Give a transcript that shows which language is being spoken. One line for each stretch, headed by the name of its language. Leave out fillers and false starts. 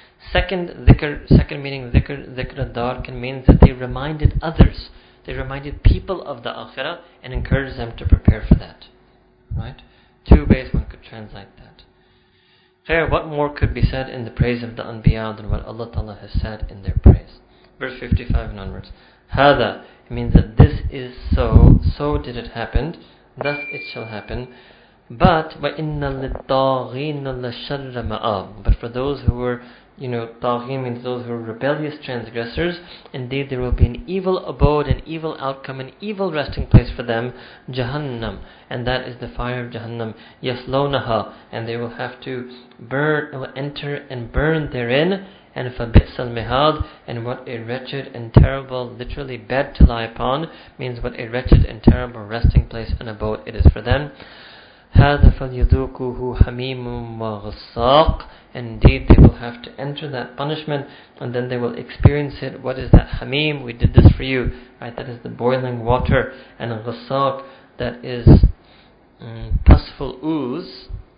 English: Second meaning, dhikr ad-dar can mean that they reminded others, they reminded people of the Akhirah and encouraged them to prepare for that. Right? Two ways one could translate that. Khair, what more could be said in the praise of the Anbiya than what Allah Ta'ala has said in their praise? Verse 55 and onwards. Hada, it means that this is so, so did it happen, thus it shall happen.
Arabic: But, وَإِنَّ لِلطَّاغِينَ لَشَرَّ مَأَبٍ.
English: But for those who were, you know, طَاغِين means those who are rebellious transgressors, indeed there will be an evil abode, an evil outcome, an evil resting place for them, جَهَنَّم. And that is the fire of Jahannam,
Arabic: يَسْلَوْنَهَا.
English: And they will have to burn, will enter and burn therein, and
Arabic: فَبِئْسَ الْمِهَاد.
English: And what a wretched and terrible, literally bed to lie upon, means what a wretched and terrible resting place and abode it is for them.
Arabic: هذا فليذوقوه حميم وغساق.
English: Indeed, they will have to enter that punishment, and then they will experience it. What is that hamim? We did this for you, right? That is the boiling water, and غساق, that is pusful ooze.